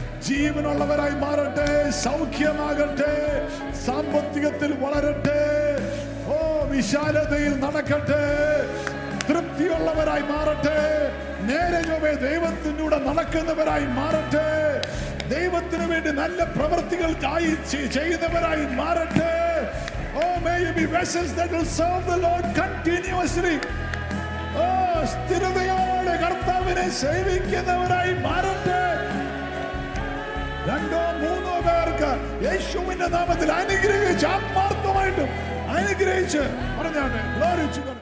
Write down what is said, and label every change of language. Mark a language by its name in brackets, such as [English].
[Malayalam] ജീവനുള്ളവരായി മാറട്ടെ. സൗഖ്യമാകട്ടെ. സാമ്പത്തികത്തിൽ വളരട്ടെ. വിശാലതയിൽ നടക്കട്ടെ. തൃപ്തിയുള്ളവരായി മാറട്ടെ. നേരെ ദൈവത്തിനൂടെ നടക്കുന്നവരായി മാറട്ടെ. ദൈവത്തിന് വേണ്ടി നല്ല പ്രവൃത്തികൾ ചെയ്യുന്നവരായി മാറട്ടെ. [English] Oh, may you be vessels that will serve the Lord continuously. [Malayalam] Oh, സ്ഥിരതയോടെ കർത്താവിനെ സേവിക്കുന്നവരായി മാറട്ടെ. രണ്ടോ മൂന്നോ പേർക്ക് യേശുവിന്റെ നാമത്തിൽ അനുഗ്രഹിച്ച് ആത്മാർത്ഥമായിട്ടും അനുഗ്രഹിച്ച് പറഞ്ഞാട്ടെ. [English] Glory to God.